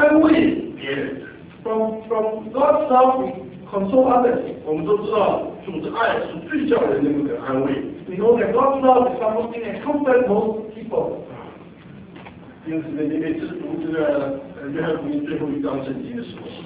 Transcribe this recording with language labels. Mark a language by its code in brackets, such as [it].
[en] We see our fellow and consider our how they were able to help people. From God's love, we console others. [zh] 我们都知道，主的爱是最叫人能够得安慰。 [en] We know that God's love is the most thing that comforts most people. [zh] 因此呢，你每次读这个约翰福音最后一章圣经的时候，